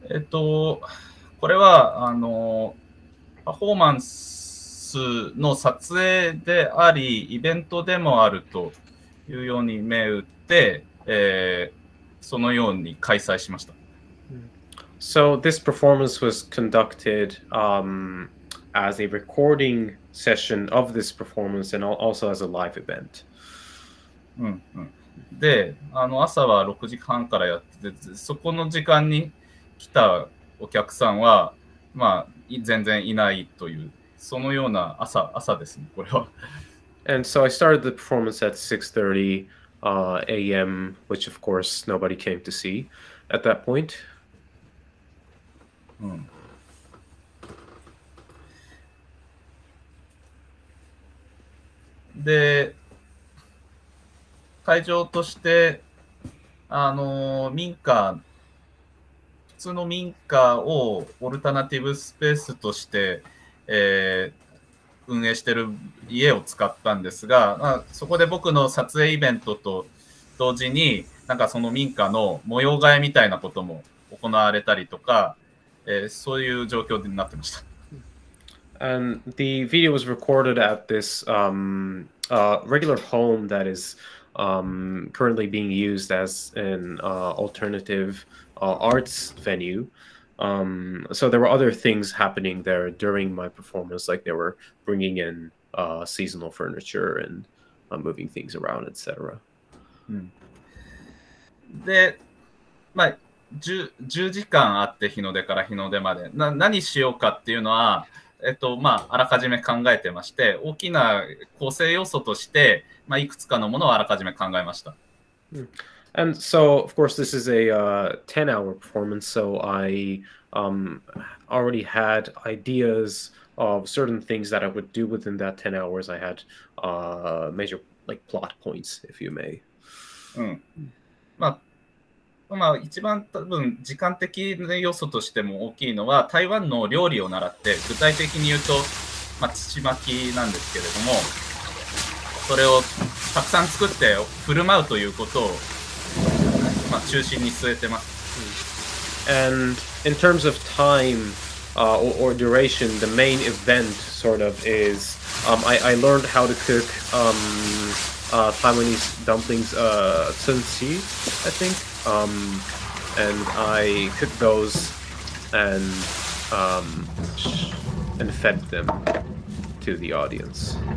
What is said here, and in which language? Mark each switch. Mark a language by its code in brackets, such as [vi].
[ja] これはパフォーマンスの撮影であり、イベントでもあるというように銘打って、そのように開催しました。 [en] So this performance was conducted, as a recording session of this performance and also as a live event. [ja] で、朝は6時半からやってて、そこの時間に来たお客さんは、まあ、全然いないというそのような朝ですね、これは。 [en] And so I started the performance at 6:30 a.m., which of course nobody came to see at that point.、 [ja] で、会場として民家普通の民家をオルタナティブスペースとして、運営している家を使ったんですが、まあ、そこで僕の撮影イベントと同時に、なんかその民家の模様替えみたいなことも行われたりとか、そういう状況になってました。 [en] And the video was recorded at this regular home that is currently being used as an alternativearts venue. So there were other things happening there during my performance, like they were bringing in seasonal furniture and moving things around, etc. [ja] で、まあ、10時間あって日の出から日の出まで、何しようかっていうのは、まあ、あらかじめ考えてまして、大きな構成要素として、まあ、いくつかのものをあらかじめ考えました。 Mm. [en] And so, of course, this is a 10-hour performance, so I already had ideas of certain things that I would do within that 10 hours. I had major like plot points, if you may. [ja] まあ、一番多分時間的な要素としても大きいのは台湾の料理を習って、具体的に言うと、まあ、土巻きなんですけれども、それをたくさん作って振る舞うということを、まあ、中心に据えてます。 [en] And in terms of time、or duration, the main event sort of is、I learned how to cook、Taiwanese dumplings、Tsun Si, I thinkand I cooked those and fed them to the audience.